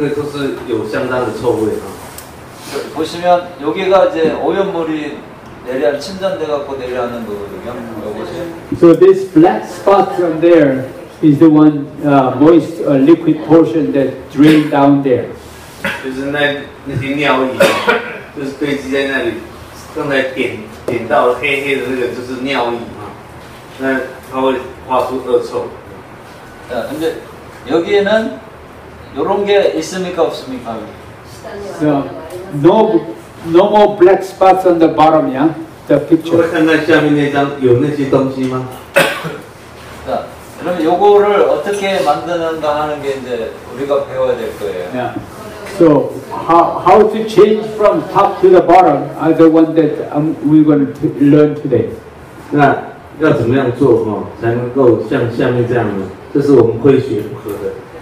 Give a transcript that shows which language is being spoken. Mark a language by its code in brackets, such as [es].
[zh] 甚至堆积在那里的话，下面还有流出那个尿哦，就湿湿的、黑黑的那个尿，那个都是有相当的臭味啊。 [ko] 보시면 여기가 이제 오염물이 내려 침전돼 갖고 내려가는 거거든요. 보세요. [en] So this black spot from there is the one moist liquid portion that drained down there. [zh] 就是那些尿液，就是堆积在那里，正在点。点到黑黑的那个就是尿液啊，那它会发出恶臭。但是， [ko] 여기에는 이런 게 있습니까 없습니까? [en] So, no, no more black spots on the bottom, yeah? The picture. [zh] 看看下面那张有那些东西吗？ [ko] 자, 그러면 요거를 어떻게 만드는가 하는 게 이제 우리가 배워야 될 거예요. [en] Yeah. So, how to change from top to the bottom are the one that we're going to learn today. [zh] 那要怎么样做哦，才能够像下面这样呢？这是我们会学如何的。